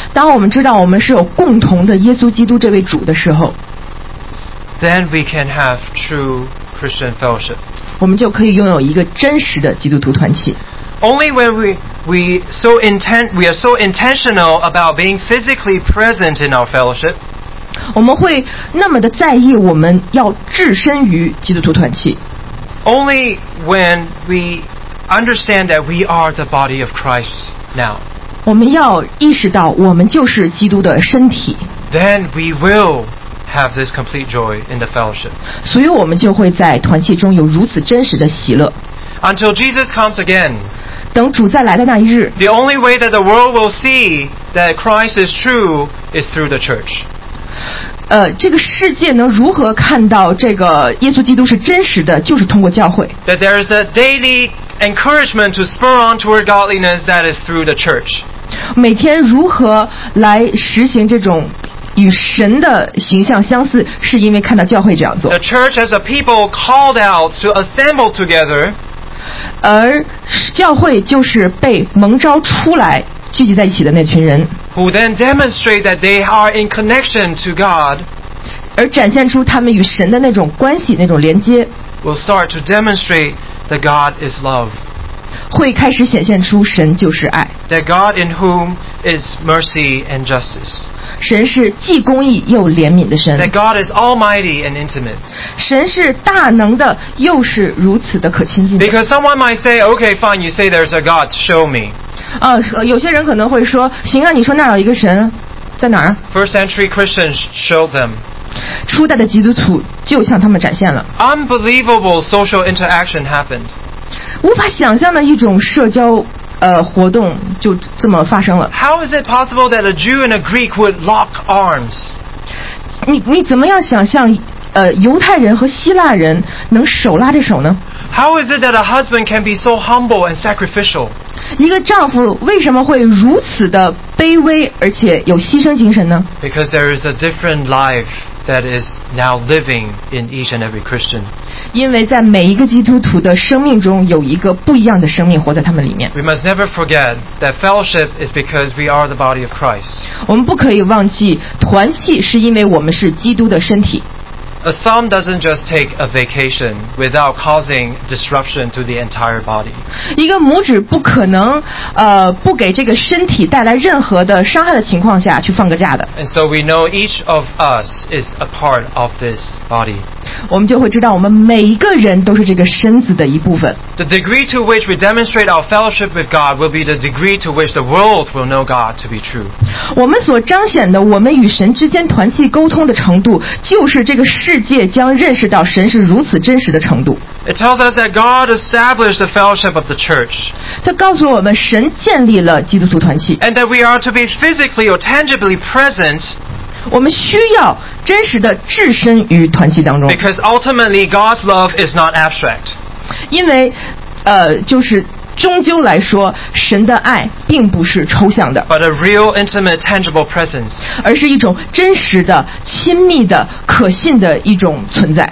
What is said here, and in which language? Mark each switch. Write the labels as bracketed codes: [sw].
[zh] 当我们知道我们是有共同的耶稣基督这位主的时候 [en] then we can have true Christian fellowship. [zh] 我们就可以拥有一个真实的基督徒团契。 [en] Only when we are so intentional about being physically present in our fellowship, [zh] 我们会那么的在意我们要置身于基督徒团契。 [en] Only when we understand that we are the body of Christ now, [zh] 我们要意识到我们就是基督的身体。 [en] Then we will have this complete joy in the fellowship. [zh] 所以我们就会在团契中有如此真实的喜乐。 [en] Until Jesus comes again, [zh] 等主再来的那一日 [en] the only way that the world will see that Christ is true is through the church. [zh] 这个世界能如何看到这个耶稣基督是真实的，就是通过教会。 [en] That there is a daily encouragement to spur on toward godliness that is through the church. [zh] 每天如何来实行这种与神的形象相似，是因为看到教会这样做。 [en] The church as a people called out to assemble together. [zh] 而教会就是被蒙召出来聚集在一起的那群人 [en] who then demonstrate that they are in connection to God [zh] 而展现出他们与神的那种关系那种连接 [en] will start to demonstrate that God is love [zh] 会开始显现出神就是爱 [en] that God in whom is mercy and justice [zh] 神是既公义又怜悯的神 [en] that God is almighty and intimate [zh] 神是大能的又是如此的可亲近的 [en] because someone might say okay fine you say there's a God show me [zh] 有些人可能会说行啊你说那有一个神在哪儿 [en] first century Christians showed them [zh] 初代的基督徒就向他们展现了 [en] unbelievable social interaction happened [zh] 无法想象的一种社交活动就这么发生了。 [en] How is it possible that a Jew and a Greek would lock arms? [zh] 你怎么样想象犹太人和希腊人能手拉着手呢 [en] ？How is it that a husband can be so humble and sacrificial? [zh] 一个丈夫为什么会如此的卑微而且有牺牲精神呢 [en] ？Because there is a different life that is now living in each and every Christian. [zh] 因为在每一个基督徒的生命中有一个不一样的生命活在他们里面。 [en] We must never forget that fellowship is because we are the body of Christ. [zh] 我们不可以忘记团契是因为我们是基督的身体。 [en] A thumb doesn't just take a vacation without causing disruption to the entire body. [zh] 一个拇指不可能不给这个身体带来任何的伤害的情况下去放个假的。 [en] And so we know each of us is a part of this body. [zh] 我们就会知道我们每一个人都是这个身子的一部分。 [en] The degree to which we demonstrate our fellowship with God will be the degree to which the world will know God to be true. [zh] 我们所彰显的我们与神之间团契沟通的程度就是这个世界将认识到神是如此真实的程度。 [en] It tells us that God established the fellowship of the church. [zh] 它告诉我们神建立了基督徒团契。 [en] And that we are to be physically or tangibly present. [zh] 我们需要真实的置身于团契当中。 [en] Because ultimately God's love is not abstract. [zh] 因为就是终究来说神的爱并不是抽象的 [en] But a real intimate tangible presence [zh] 而是一种真实的亲密的可信的一种存在